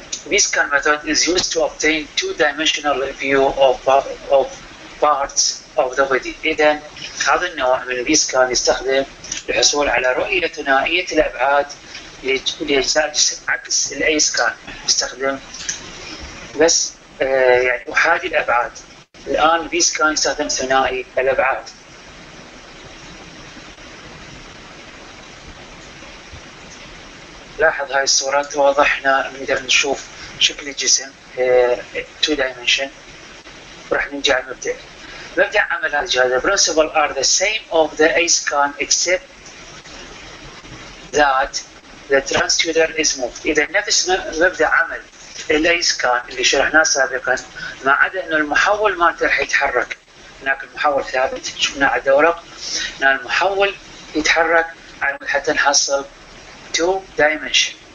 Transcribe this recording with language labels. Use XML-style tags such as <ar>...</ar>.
<en>VScan method is used to obtain two-dimensional view of parts of the body.</en> <ar>إذن هذا النوع من VScan يستخدم للحصول على رؤية ثنائية الأبعاد لأجزاء الجسم عكس الأي سكان يستخدم بس يعني أحادي الأبعاد. الآن VScan يستخدم ثنائي الأبعاد. لاحظ هاي الصورة توضح لنا، نقدر نشوف شكل الجسم 2 dimension. راح نرجع المبدأ. مبدأ عمل هذا الجهاز:</ar> <en>the principles are the same of the ASecond except that the transducer is moved.</en> <ar>إذا نفس مبدأ عمل الASecond اللي شرحناه سابقا، ما عدا أن المحول ما راح يتحرك. هناك المحول ثابت، شفناه على الدورق، هنا المحول يتحرك على مود حتى نحصل 2 dimension.</ar>